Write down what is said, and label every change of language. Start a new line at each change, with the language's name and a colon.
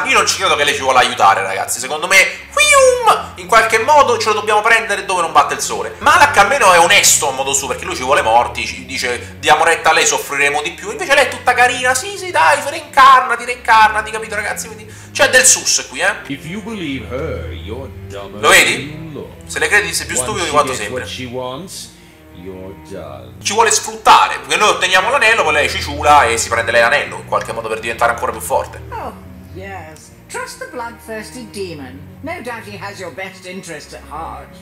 Italian: Io non ci credo che lei ci vuole aiutare, ragazzi. Secondo me, in qualche modo ce lo dobbiamo prendere dove non batte il sole. Malak almeno è onesto a modo suo, perché lui ci vuole morti, ci dice diamo retta a lei, soffriremo di più. Invece lei è tutta carina, sì sì dai, reincarnati, reincarnati, capito ragazzi? Quindi c'è del sus qui, eh.
English: If you believe her, you're dumber.
Italian: Lo vedi? Se le credi sei più stupido di quanto sembra. Ci vuole sfruttare, perché noi otteniamo l'anello, poi lei ciula e si prende lei l'anello in qualche modo per diventare ancora più forte.
English: Oh, yes. Trust the bloodthirsty demon. No doubt he has your best interests at heart.